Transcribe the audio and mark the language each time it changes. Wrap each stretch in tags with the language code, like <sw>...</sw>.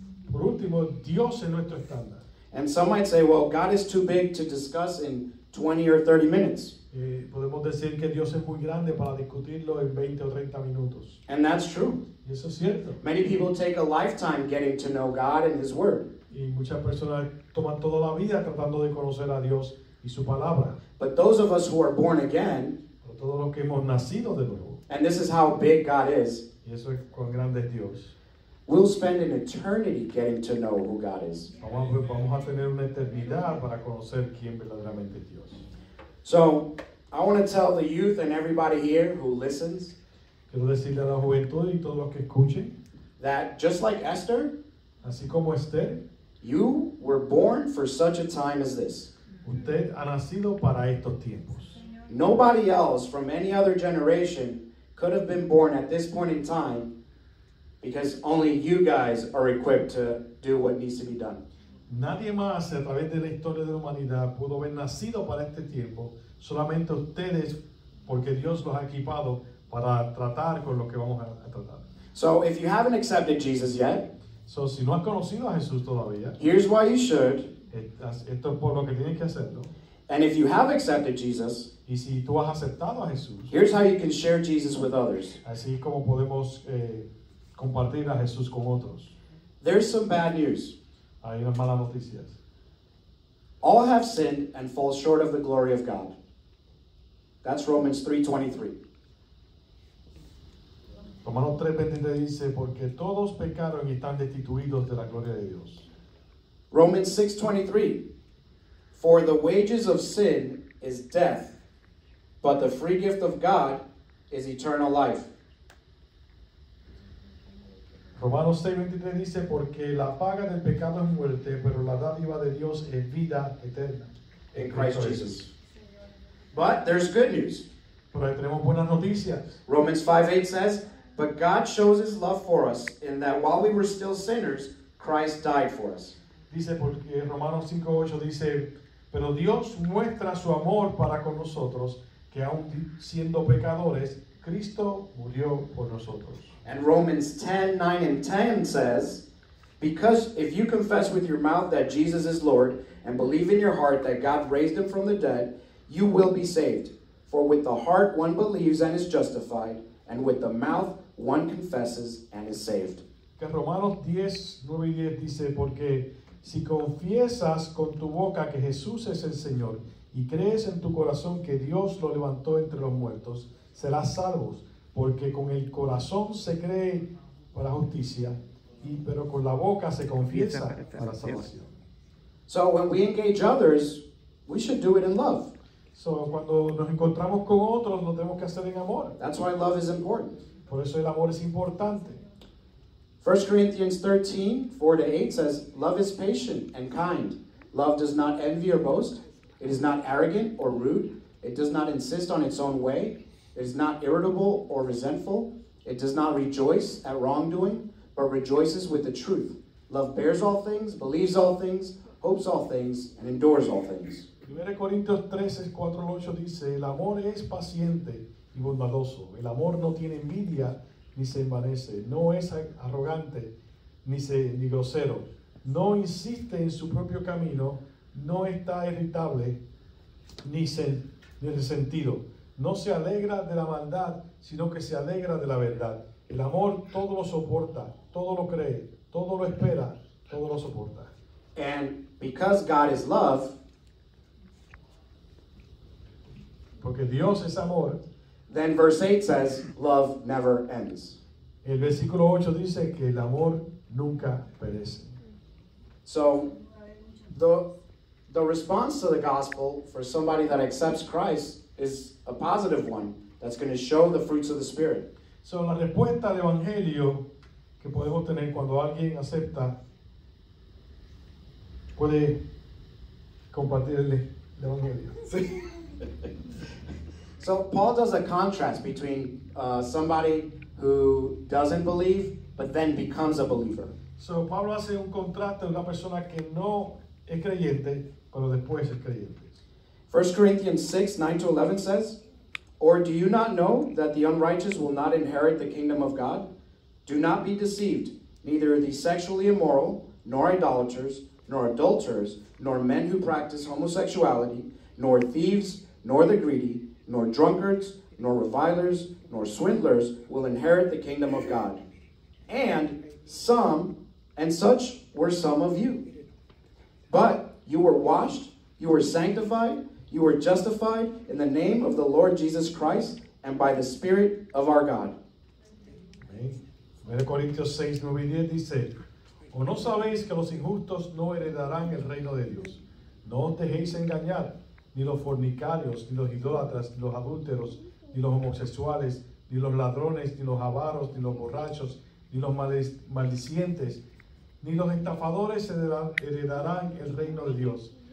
<es>Por último, Dios es nuestro estándar.</es> <en>And some might say, well, God is too big to discuss in 20 or 30 minutes.</en> <es>Podemos decir que Dios es muy grande para discutirlo en 20 o 30 minutos.</es> <en>And that's true.</en> <es>Y eso es cierto.</es> <en>Many people take a lifetime getting to know God and His Word.</en> <es>Y muchas personas toman toda la vida tratando de conocer a Dios y su palabra.</es> <en>But those of us who are born again,</en> <es>todos los que hemos nacido de nuevo.</es> <en>And this is how big God is.</en> <es>Y eso es cuán grande es Dios.</es> <en>We'll spend an eternity getting to know who God is.</en> <es>Vamos a tener una eternidad para conocer quién verdaderamente es Dios.</es> <en>So, I want to tell the youth and everybody here who listens.</en> <es>Quiero decirle a la juventud y todos los que escuchen.</es> <en>That just like Esther.</en> <es>Así como Esther.</es> <en>You were born for such a time as this.</en> <es>Usted ha nacido para estos tiempos.</es> <en>Nobody else from any other generation could have been born at this point in time because only you guys are equipped to do what needs to be done.</en> <es>Nadie más a través de la historia de la humanidad pudo haber nacido para este tiempo, solamente ustedes, porque Dios los ha equipado para tratar con lo que vamos a tratar.</es> <en>So if you haven't accepted Jesus yet,</en> <es>so si no has conocido a Jesús todavía,</es> <en>here's why you should.</en> <es>Esto es por lo que tienes que hacerlo.</es> <en>And if you have accepted Jesus,</en> <es>y si tú has aceptado a Jesús,</es> <en>here's how you can share Jesus with others.</en> <es>Así como podemos compartir a Jesús con otros.</es> <en>There's some bad news.</en> <es>Hay unas malas noticias.</es> <en>All have sinned and fall short of the glory of God. That's Romans 3:23.</en> <es>Romanos 3:23 dice, porque todos pecaron y están destituidos de la gloria de Dios.</es> <en>Romans 6:23. For the wages of sin is death, but the free gift of God is eternal life.</en> <es>Romanos 6:23 dice, porque la paga del pecado es muerte, pero la dádiva de Dios es vida eterna.</es> <en>In Christ Jesus. But there's good news.</en> <es>Pero tenemos buenas noticias.</es> <en>Romans 5:8 says, but God shows his love for us in that while we were still sinners, Christ died for us.</en> <es>Dice, porque Romanos 5:8 dice, pero Dios muestra su amor para con nosotros, que aun siendo pecadores, Cristo murió por nosotros.</es> <en>And Romans 10:9-10 says, because if you confess with your mouth that Jesus is Lord, and believe in your heart that God raised him from the dead, you will be saved. For with the heart one believes and is justified, and with the mouth one confesses and is saved.</en> <es>Que Romanos 10:9-10 dice, porque si confiesas con tu boca que Jesús es el Señor, y crees en tu corazón que Dios lo levantó entre los muertos, serás salvo. Porque con el corazón se cree para justicia, pero con la boca se confiesa para salvación.</es> <en>So when we engage others, we should do it in love.</en> <es>So cuando nos encontramos con otros, lo tenemos que hacer en amor.</es> <en>That's why love is important.</en> <es>Por eso el amor es importante.</es> <en>1 Corinthians 13:4-8 says, love is patient and kind. Love does not envy or boast. It is not arrogant or rude. It does not insist on its own way. It is not irritable or resentful. It does not rejoice at wrongdoing, but rejoices with the truth. Love bears all things, believes all things, hopes all things, and endures all things.</en> <es>1 Corintios 13:4-8 dice, el amor es paciente y bondadoso. El amor no tiene envidia ni se envanece. No es arrogante ni grosero. No insiste en su propio camino. No está irritable ni resentido. No se alegra de la maldad, sino que se alegra de la verdad. El amor todo lo soporta, todo lo cree, todo lo espera, todo lo soporta.</es> <en>And because God is love,</en> <es>porque Dios es amor,</es> <en>then verse 8 says, love never ends.</en> <es>El versículo 8 dice que el amor nunca perece.</es> <en>So, the response to the gospel for somebody that accepts Christ is a positive one that's going to show the fruits of the Spirit.</en> <es>So la respuesta al evangelio que podemos tener cuando alguien acepta puede compartir el evangelio. Sí.</es> <en>So Paul does a contrast between somebody who doesn't believe but then becomes a believer.</en> <es>So Pablo hace un contraste de una persona que no es creyente pero después es creyente.</es> <en>1 Corinthians 6:9-11 says, or do you not know that the unrighteous will not inherit the kingdom of God? Do not be deceived. Neither the sexually immoral, nor idolaters, nor adulterers, nor men who practice homosexuality, nor thieves, nor the greedy, nor drunkards, nor revilers, nor swindlers will inherit the kingdom of God. And such were some of you. But you were washed, you were sanctified, You are justified in the name of the Lord Jesus Christ and by the Spirit of our God.</en> <es>1 Corintios 6, 9 y 10 dice, ¿O no sabéis que los injustos no heredarán el reino de Dios? No os dejéis engañar, ni los fornicarios, ni los idólatras, ni los adúlteros, ni los homosexuales, ni los ladrones, ni los avaros, ni los borrachos, ni los maldicientes, ni los estafadores heredarán el reino de Dios.</es>